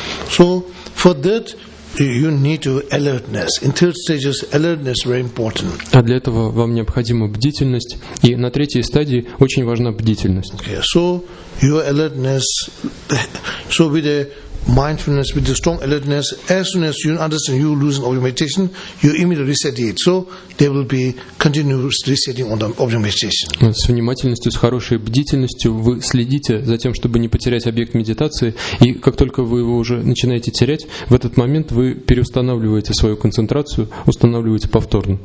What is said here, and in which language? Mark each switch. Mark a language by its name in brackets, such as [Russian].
[English] So for that, you need to alertness. In third stages, alertness very important. [Russian] А для этого вам необходима бдительность, и на третьей стадии очень важна бдительность. [English] Okay, so your alertness, so with the mindfulness, with the strong alertness, as soon as you understand you losing object meditation, you immediately reset it. So there will be continuous resetting on the object meditation. [Russian] С внимательностью, с хорошей бдительностью вы следите за тем, чтобы не потерять объект медитации, и как только вы его уже начинаете терять, в этот момент вы переустанавливаете свою концентрацию, устанавливаете повторно.